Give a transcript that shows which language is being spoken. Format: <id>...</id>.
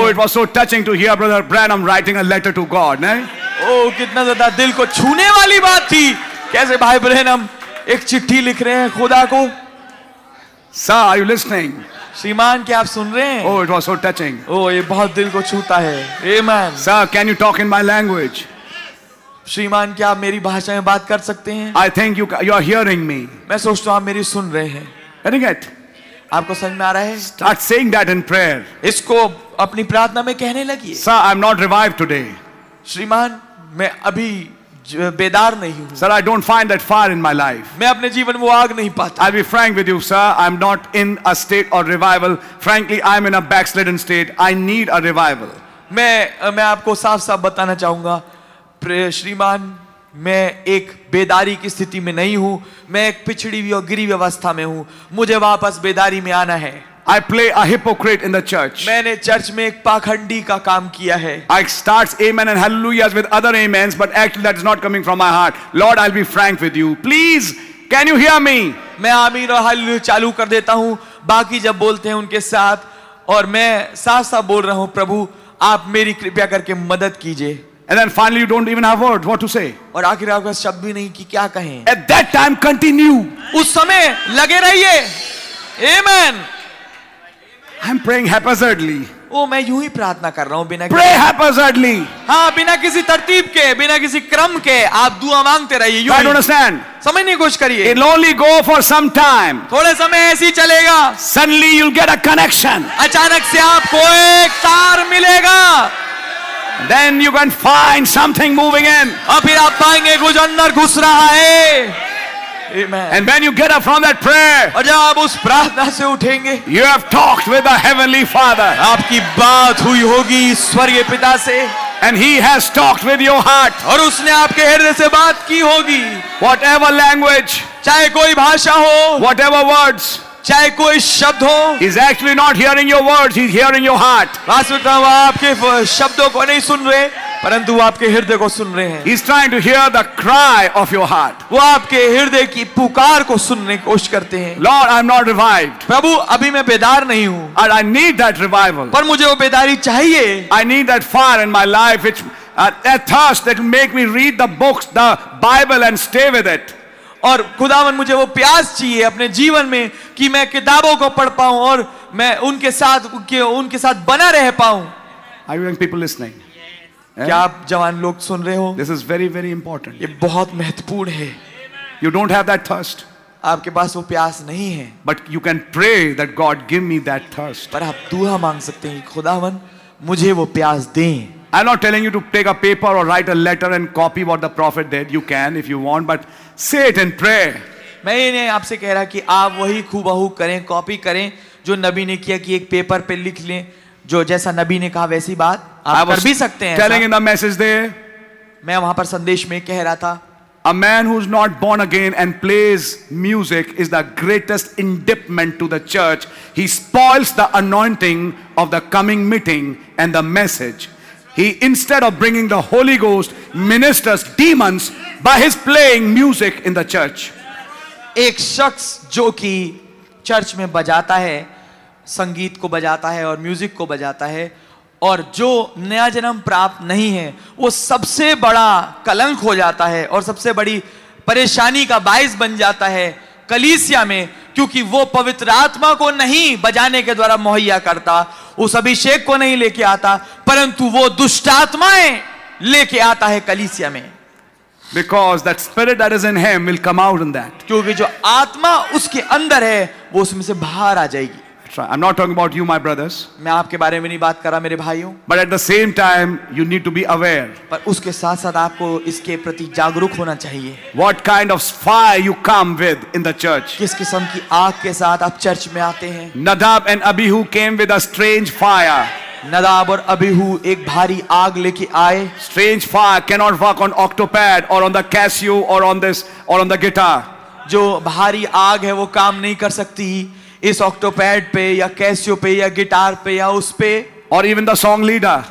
<en>Oh, it was so touching to hear brother Branham writing a letter to God, ne?</en> <hi>Oh, कितना ज्यादा दिल को छूने वाली बात थी कैसे भाई ब्रैनम एक चिट्ठी लिख रहे हैं खुदा को.</hi> <en>Sir, are you listening?</en> <hi>श्रीमान, क्या आप सुन रहे हैं?</hi> <en>Oh, it was so touching.</en> <hi>Oh, ये बहुत दिल को छूता है.</hi> <en>Amen. Sir, can you talk in my language?</en> <hi>श्रीमान, क्या आप मेरी भाषा में बात कर सकते हैं?</hi> <en>I think you are hearing me.</en> <hi>मैं सोचता हूँ आप मेरी सुन रहे हैं.</hi> <en>Very good.</en> <hi>आपको समझ में आ रहा है?</hi> <en>Start saying that in prayer.</en> <hi>इसको अपनी प्रार्थना में कहने लगिए.</hi> <en>Sir, I am not revived today.</en> <hi>श्रीमान, मैं अभी बेदार नहीं हूं.</hi> <en>Sir, I don't find that fire in my life.</en> <hi>मैं अपने जीवन वो आग नहीं पाता.</hi> <en>I'll be frank with you, sir. I'm not in a state of revival. Frankly, I'm in a backslidden state. I need a revival.</en> <hi>मैं आपको साफ साफ बताना चाहूंगा श्रीमान, मैं एक बेदारी की स्थिति में नहीं हूं. मैं एक पिछड़ी हुई और गिरी व्यवस्था में हूं. मुझे वापस बेदारी में आना है.</hi> <en>I play a hypocrite in the church.</en> <hi>मैंने चर्च में एक पाखंडी का काम किया है.</hi> <en>I start amen and hallelujahs with other amens, but actually that is not coming from my heart. Lord, I'll be frank with you. Please, can you hear me?</en> <hi>मैं आमीन और हालेलुया चालू कर देता हूँ बाकी जब बोलते हैं उनके साथ, और मैं साफ साफ बोल रहा हूँ प्रभु आप मेरी कृपया करके मदद कीजिए.</hi> <en>And then finally you don't even have word what to say.</en> <hi>और आखिर आपका शब्द भी नहीं कि क्या कहें.</hi> <en>At that time continue.</en> <hi>उस समय लगे रहिए. Amen.</hi> <en>I'm praying haphazardly.</en> <hi>Oh, मैं यूं ही प्रार्थना कर रहा हूँ बिना.</hi> <en>Pray haphazardly.</en> <hi>हाँ, बिना किसी तर्तीब के, बिना किसी क्रम के आप दुआ मांगते रहिए.</hi> <en>I don't understand.</en> <hi>समझने की कोशिश करिए.</hi> <en>It'll only go for some time.</en> <hi>थोड़े समय ऐसी चलेगा.</hi> <en>Suddenly you'll get a connection.</en> <hi>अचानक से आपको एक तार मिलेगा.</hi> <en>Then you can find something moving in.</en> <hi>और फिर आप पाएंगे कुछ अंदर घुस रहा है.</hi> <en>Amen. And when you get up from that prayer,</en> <hi>और जब आप उस प्रार्थना से उठेंगे,</hi> <en>you have talked with the heavenly Father.</en> <hi>आपकी बात हुई होगी स्वर्गीय पिता से.</hi> <en>And he has talked with your heart.</en> <hi>और उसने आपके हृदय से बात की होगी.</hi> <en>Whatever language,</en> <hi>चाहे कोई भाषा हो.</hi> <en>Whatever words,</en> <hi>चाहे कोई शब्द हो.</hi> <en>He's actually not hearing your words. He's hearing your heart.</en> <hi>वास्तविकता वह आपके शब्दों को नहीं सुन रहे, परंतु आपके हृदय को सुन रहे हैं.</hi> <en>He's trying to hear the cry of your heart.</en> <hi>वो आपके हृदय की पुकार को सुनने की कोशिश करते हैं.</hi> <en>Lord, I'm not revived.</en> <hi>प्रभु अभी मैं बेदार नहीं हूँ.</hi> <en>And I need that revival.</en> <hi>पर मुझे वो बेदारी चाहिए.</hi> <en>I need that fire in my life, which that thirst that will make me read the books, the Bible, and stay with it.</en> <hi>और खुदावन मुझे वो प्यास चाहिए अपने जीवन में कि मैं किताबों को पढ़ पाऊं और मैं उनके साथ बना रह पाऊं.</hi> <en>Are you young people listening? Yes.</en> <hi>क्या आप जवान लोग सुन रहे हो?</hi> <en>This is very very important.</en> <hi>ये बहुत महत्वपूर्ण है.</hi> <en>You don't have that thirst.</en> <hi>आपके पास वो प्यास नहीं है.</hi> <en>But you can pray that God give me that thirst.</en> <hi>पर आप दुआ मांग सकते हैं कि खुदावन मुझे वो प्यास दें.</hi> <en>I'm not telling you to take a paper or write a letter and copy what the prophet did. You can if you want, but say it in prayer.</en> <hi>मैं ये नहीं आपसे कह रहा कि आप वही खूबहू करें, कॉपी करें जो नबी ने किया, कि एक पेपर पे लिख लें जो जैसा नबी ने कहा वैसी बात आप कर भी सकते हैं.</hi> <en>Telling in the message there,</en> <hi>मैं वहां पर संदेश में कह रहा था,</hi> <en>a man who's not born again and plays music is the greatest indictment to the church. He spoils the anointing of the coming meeting and the message. He, instead of bringing the Holy Ghost, ministers demons by his playing music in the church.</en> <hi>एक शख्स जो कि church में बजाता है, संगीत को बजाता है और म्यूजिक को बजाता है, और जो नया जन्म प्राप्त नहीं है, वो सबसे बड़ा कलंक हो जाता है और सबसे बड़ी परेशानी का बाइस बन जाता है कलीसिया में, क्योंकि वो पवित्र आत्मा को नहीं बजाने के द्वारा मुहैया करता, उस अभिषेक को नहीं लेके आता, परंतु वो दुष्ट आत्माएं लेके आता है कलीसिया में.</hi> <en>Because that spirit that is in him will come out in that.</en> <hi>क्योंकि जो आत्मा उसके अंदर है वो उसमें से बाहर आ जाएगी.</hi> <en>I'm not talking about you, my brothers.</en> <hi>मैं आपके बारे में नहीं बात कर रहा मेरे भाइयों.</hi> <en>But at the same time, you need to be aware.</en> <hi>पर उसके साथ साथ आपको इसके प्रति जागरूक होना चाहिए.</hi> <en>What kind of fire you come with in the church?</en> <hi>किस किस्म की आग के साथ आप चर्च में आते हैं?</hi> <en>Nadab and Abihu came with a strange fire.</en> <hi>नदाब और अबीहू एक भारी आग लेके आए.</hi> <en>Strange fire cannot work on octopad or on the Casio or on this or on the guitar.</en> <hi>जो भारी आग है वो काम नहीं कर सकती इस ऑक्टोपैड पे या कैसियो पे या गिटार पे या उस पे,</hi> <en>और even the song leader,</en>